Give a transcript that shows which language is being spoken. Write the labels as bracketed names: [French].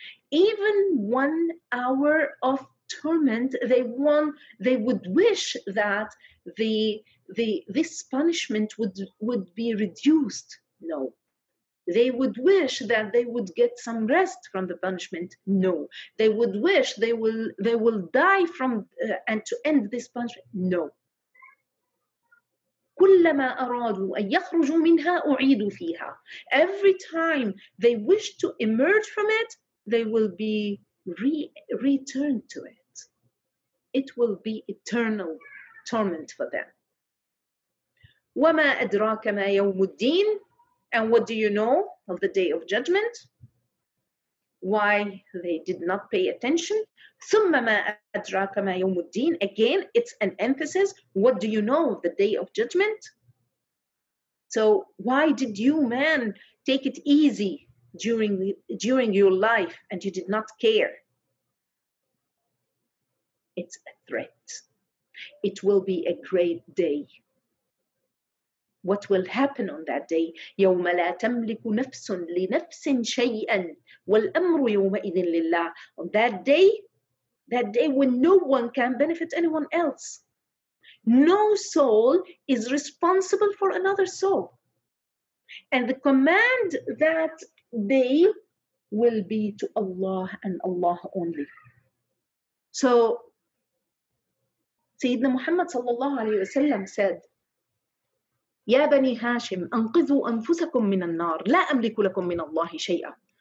[English] Even 1 hour of torment, they would wish that this punishment would be reduced. No. They would wish that they would get some rest from the punishment. No. They would wish they will die from and to end this punishment. No. [Arabic] كلما أرادوا أن يخرجوا منها أعيدوا فيها. [English] Every time they wish to emerge from it, they will be returned to it. It will be eternal torment for them. [Arabic] وما أدراك ما يوم الدين. [English] And what do you know of the day of judgment? Why they did not pay attention? [Arabic] ثم ما أدراك ما يوم الدين. [English] Again, it's an emphasis. What do you know of the day of judgment? So why did you, man, take it easy during your life and you did not care? It's a threat. It will be a great day. What will happen on that day? [Arabic] يوم لا تملك نفس لنفس شيئا والأمر يومئذ لله. [English] On that day when no one can benefit anyone else. No soul is responsible for another soul. And the command that day will be to Allah and Allah only. So Sayyidina Muhammad sallallahu alayhi wa sallam said, [Arabic] يا بني هاشم أنقذوا أنفسكم من النار لا أملك لكم من الله شيئا.